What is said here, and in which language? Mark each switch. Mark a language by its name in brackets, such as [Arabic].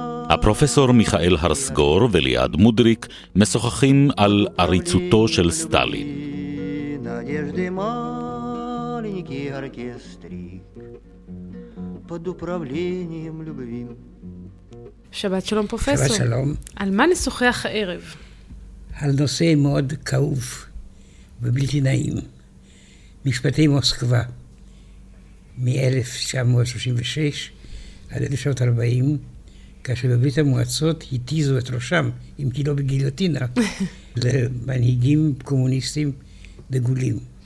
[Hebrew] הפרופסור מיכאל הרסגור וליעד מודריק משוחחים על עריצותו של סטלין. [Russian] נדежды маленький оркестрик под управлением любви. [Hebrew] שבת שלום פרופסור. שבת שלום. על מה נשוחח הערב? על נושא מאוד כאוב ובלתי נעים. משפטי מוסקבה מ-1936 עד 1940, כאשר בברית המועצות התיזו את ראשם, אם כי לא בגיליוטינה, למנהיגים קומוניסטים דגולים.